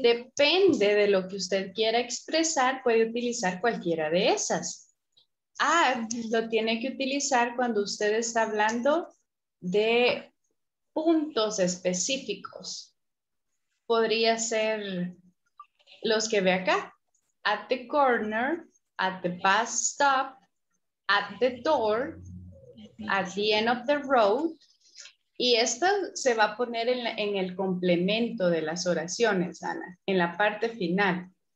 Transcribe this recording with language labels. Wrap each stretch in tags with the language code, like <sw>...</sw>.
<es>Depende de lo que usted quiera expresar, puede utilizar cualquiera de esas. At lo tiene que utilizar cuando usted está hablando de puntos específicos. Podría ser los que ve acá.</es> <en>At the corner, at the bus stop, at the door, at the end of the road.</en> <es>Y esto se va a poner en el complemento de las oraciones, Ana, en la parte final.</es>